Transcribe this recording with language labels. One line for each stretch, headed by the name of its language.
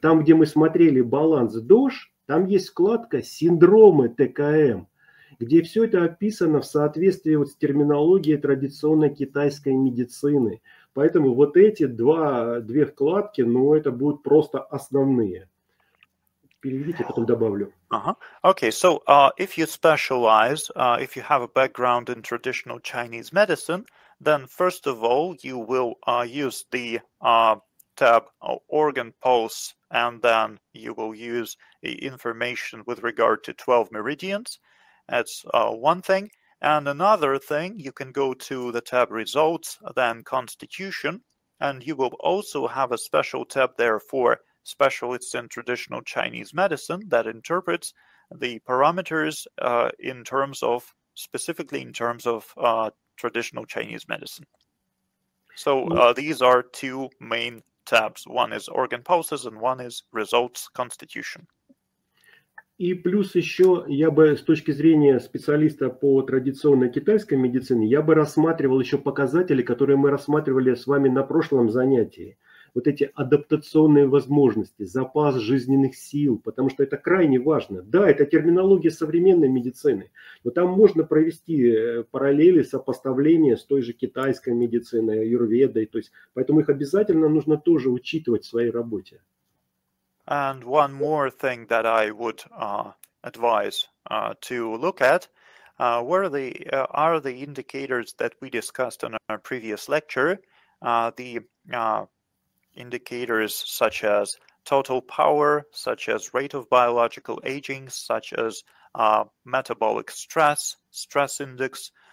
Russian: Там, где мы смотрели баланс ДОЖ, там есть вкладка «Синдромы ТКМ», где все это описано в соответствии вот с терминологией традиционной китайской медицины. Поэтому вот эти две вкладки, ну, это будут просто основные. Переведите, потом добавлю. Ага.
English: Okay, so if you specialize, if you have a background in traditional Chinese medicine, then first of all, you will use the tab organ pulse, and then you will use the information with regard to 12 meridians. That's one thing. And another thing, you can go to the tab results, then constitution, and you will also have a special tab there for specialists in traditional Chinese medicine that interprets the parameters in terms of, specifically in terms of traditional Chinese medicine. So these are two main tabs. One is organ pulses and one is results constitution.
Russian: И плюс еще я бы с точки зрения специалиста по традиционной китайской медицине, я бы рассматривал еще показатели, которые мы рассматривали с вами на прошлом занятии. Вот эти адаптационные возможности, запас жизненных сил, потому что это крайне важно. Да, это терминология современной медицины, но там можно провести параллели, сопоставления с той же китайской медициной, аюрведой. То есть, поэтому их обязательно нужно тоже учитывать в своей работе.
English: And one more thing that I would advise to look at are the indicators that we discussed in our previous lecture, indicators such as total power, such as rate of biological aging, such as metabolic stress index.